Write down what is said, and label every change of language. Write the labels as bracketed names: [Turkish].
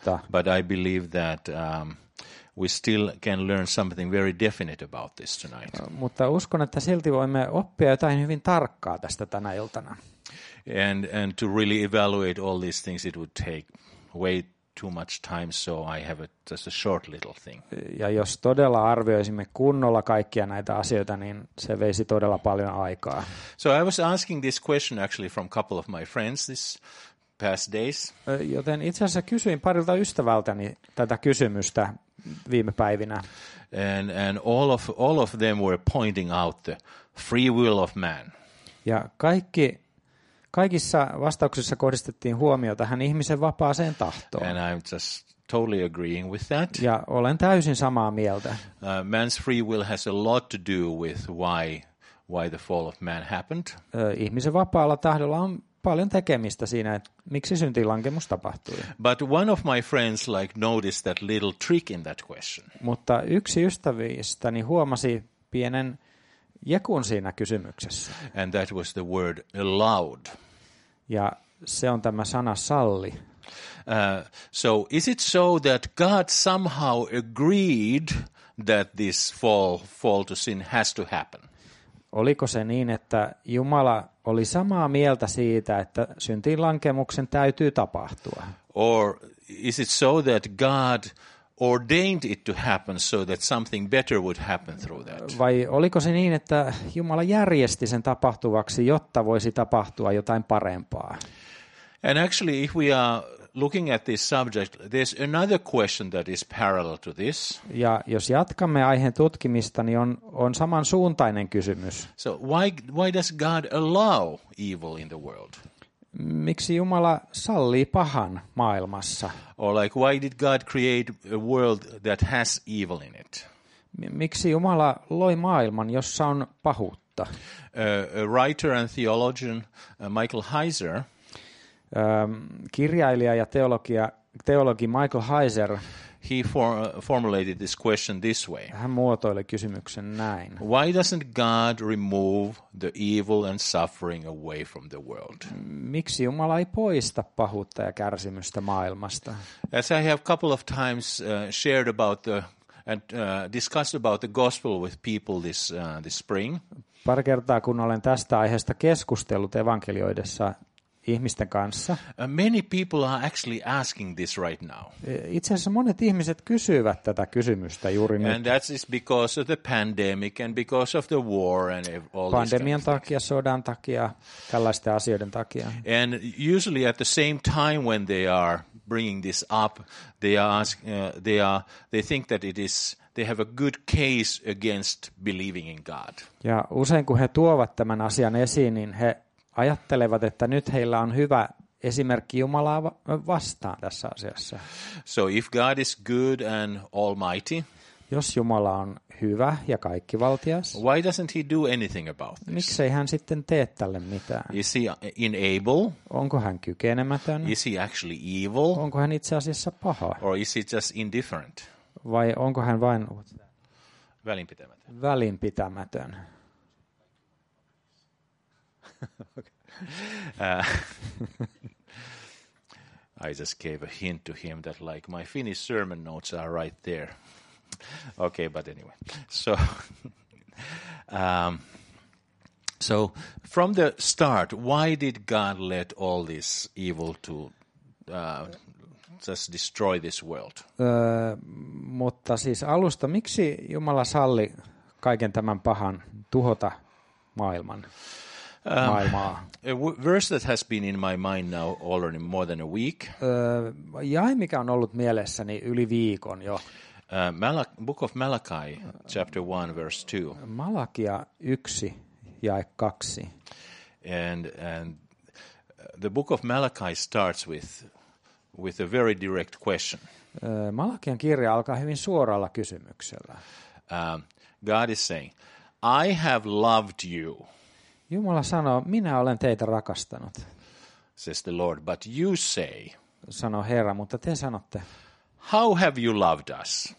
[English] But I believe that we still can learn something very definite about this tonight. [Finnish] Mutta uskon, että silti voimme oppia jotain hyvin tarkkaa tästä tänä iltana. [English] And to really evaluate all these things, it would take way too much time, so I have just a short little thing. [Finnish] Ja jos todella arvioisimme kunnolla kaikkia näitä asioita, niin se veisi todella paljon aikaa. [English] So I was asking this question actually from a couple of my friends this past days. [Finnish] Joten itse asiassa kysyin parilta ystävältäni tätä kysymystä viime päivinä. [English] And all of them were pointing out the free will of man. [Finnish] Ja kaikissa vastauksissa kohdistettiin huomio tähän ihmisen vapaaseen tahtoon. [English] And I'm just totally agreeing with that. [Finnish] Ja olen täysin samaa mieltä. [English] Man's free will has a lot to do with why the fall of man happened. [Finnish] Ihmisen vapaalla tahdolla on paljon tekemistä siinä, että miksi syntiinlankemus tapahtui. [English] But one of my friends like noticed that little trick in that question. [Finnish] Mutta yksi ystävistäni huomasi pienen jekun siinä kysymyksessä. [English] And that was the word allowed. [Finnish] Ja se on tämä sana salli. [English] So is it so that God somehow agreed that this fall to sin has to happen? [Finnish] Oliko se niin, että Jumala oli samaa mieltä siitä, että syntiinlankemuksen täytyy tapahtua? [English] Or is it so that God ordained it to happen so that something better would happen through that? [Finnish] Vai oliko se niin, että Jumala järjesti sen tapahtuvaksi, jotta voisi tapahtua jotain parempaa? [English] And actually, if we are looking at this subject, there's another question that is parallel to this. [Finnish] Ja jos jatkamme aiheen tutkimista, niin on samansuuntainen kysymys. [English] So why does God allow evil in the world? [Finnish] Miksi Jumala sallii pahan maailmassa? [English] Or like, why did God create a world that has evil in it? [Finnish] Miksi Jumala loi maailman, jossa on pahuutta? [English] A writer and theologian, Michael Heiser. [Finnish] Kirjailija ja teologi Michael Heiser. [English] He formulated this question this way. [Finnish] Hän muotoili kysymyksen näin. [English] Why doesn't God remove the evil and suffering away from the world? [Finnish] Miksi Jumala ei poista pahuutta ja kärsimystä maailmasta? [English] As I have a couple of times shared about the and discussed about the gospel with people this spring. [Finnish] Pari kertaa kun olen tästä aiheesta keskustellut evankelioidessa ihmisten kanssa. [English] Many people are actually asking this right now. [Finnish] Itse asiassa monet ihmiset kysyvät tätä kysymystä juuri nyt. [English] And that is because of the pandemic and because of the war and all [Finnish] pandemian takia, sodan takia, tällaisten asioiden takia. [English] And usually at the same time when they are bringing this up, they think that it is they have a good case against believing in God. [Finnish] Ja usein kun he tuovat tämän asian esiin, niin he ajattelevat, että nyt heillä on hyvä esimerkki Jumalaa vastaan tässä asiassa. [English] So if God is good and almighty, [Finnish] jos Jumala on hyvä ja kaikkivaltias, [English] why doesn't he do anything about this? [Finnish] Miksei hän sitten tee tälle mitään? [English] Is he unable? [Finnish] Onko hän kykenemätön? [English] Is he actually evil? [Finnish] Onko hän itse asiassa paha? [English] Or is he just indifferent? [Finnish] Vai onko hän vain välinpitämätön? Välinpitämätön. [English] I just gave a hint to him that like my Finnish sermon notes are right there. Okay, but anyway. So so from the start, why did God let all this evil to just destroy this world? [Finnish] Mutta siis alusta, miksi Jumala salli kaiken tämän pahan tuhota maailman? [English] A verse that has been in my mind now already more than a week. [Finnish] Jae, mikä on ollut mielessäni yli viikon jo. [English] Book of Malachi, chapter 1, verse 2. [Finnish] Malakia 1, jae 2. [English] And the book of Malachi starts with a very direct question. [Finnish] Malakian kirja alkaa hyvin suoralla kysymyksellä. [English] God is saying, I have loved you. [Finnish] Jumala sanoo, minä olen teitä rakastanut. [English] Says the Lord, but you say. [Finnish] Sanoo Herra, mutta te sanotte. [English] How have you loved us?